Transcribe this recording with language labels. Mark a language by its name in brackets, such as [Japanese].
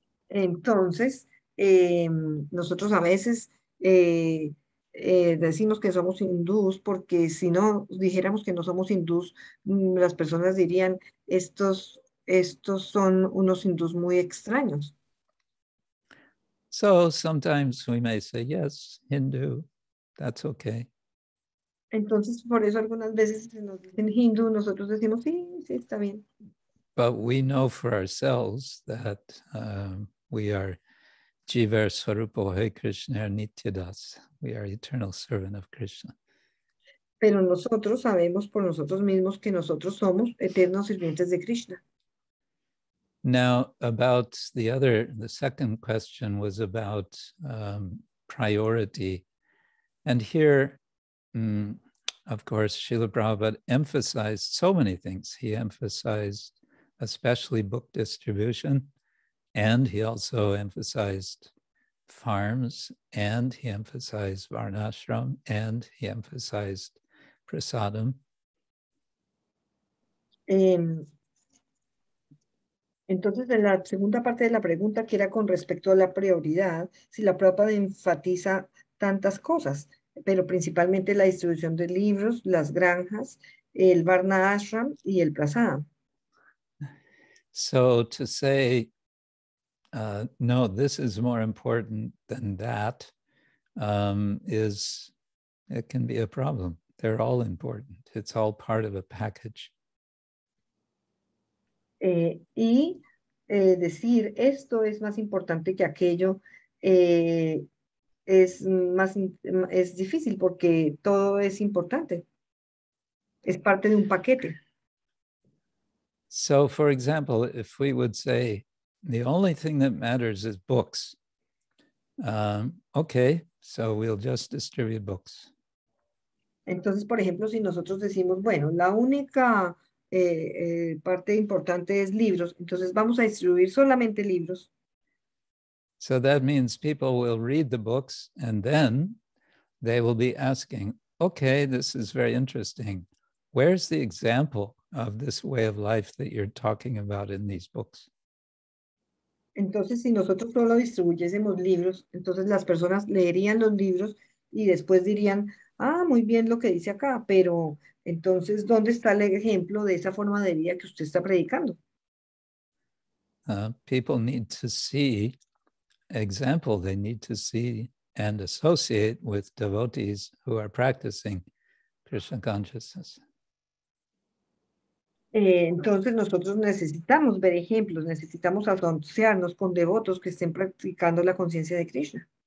[Spanish] Entonces, nosotros a veces decimos que somos hindús porque si no dijéramos que no somos hindús, las personas dirían, estos son unos hindús muy extraños. [English] So sometimes we may say, yes, Hindu, that's okay. [Spanish] Entonces, por eso algunas veces nos dicen Hindu, nosotros decimos, sí, está bien. [English] But we know for ourselves that we are [Bangla] Jivar Swarupo Hai Krishna Nityadas. [English] We are eternal servant of Krishna. [Spanish] Pero nosotros sabemos por nosotros mismos que nosotros somos eternos sirvientes de Krishna. [English] Now, about the second question was about priority. And here, of course, Srila Prabhupada emphasized so many things. He emphasized especially book distribution, and he also emphasized farms, and he emphasized varnashram, and he emphasized prasadam. [Spanish] Entonces, en la segunda parte de la pregunta, que era con respecto a la prioridad, si la Prabhupada enfatiza tantas cosas, pero principalmente la distribución de libros, las granjas, el Varna Ashram y el Prasadam. [English] So to say, no, this is more important than that, it can be a problem. They're all important. It's all part of a package. [Spanish] Decir esto es más importante que aquello es difícil porque todo es importante, es parte de un paquete. [English] So, for example, if we would say the only thing that matters is books, okay, so we'll just distribute books. [Spanish] Entonces, por ejemplo, si nosotros decimos, bueno, la única parte importante es libros, entonces vamos a distribuir solamente libros. [English] So that means people will read the books and then they will be asking, okay, this is very interesting. Where's the example of this way of life that you're talking about in these books? [Spanish] Entonces, si nosotros solo distribuyésemos libros, entonces las personas leerían los libros y después dirían, ah, muy bien lo que dice acá, pero entonces, ¿dónde está el ejemplo de esa forma de vida que usted está predicando? [English] People need to see example, they need to see and associate with devotees who are practicing Krishna consciousness. [Spanish] Entonces nosotros necesitamos ver ejemplos, necesitamos asociarnos con devotos que estén practicando la conciencia de Krishna.